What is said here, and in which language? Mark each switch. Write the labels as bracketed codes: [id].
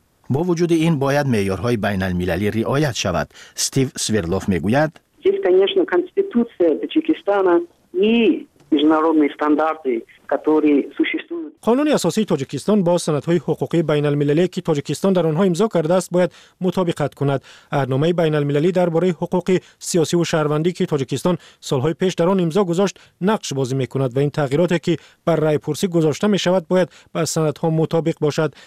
[fa] با وجود این باید معیارهای بین المللی رعایت شود. استیو سویردلوف میگوید کنستیتوسیای تاجیکستان [ru] международные стандарты, которые существуют. [tg] Қонуни асосии Тоҷикистон бо санадҳои ҳуқуқии байналмилалие, ки Тоҷикистон дар онҳо имзо кардааст, бояд мутобиқат кунад. Аҳдномаи байналмилалӣ дар бораи ҳуқуқи сиёсиву шаҳрвандӣ, ки Тоҷикистон солҳои пеш дар он имзо гузошт, нақш бозӣ мекунад ва ин тағйироте, ки бар райпурсӣ гузошта мешавад, бояд ба санадҳо мутобиқ бошад.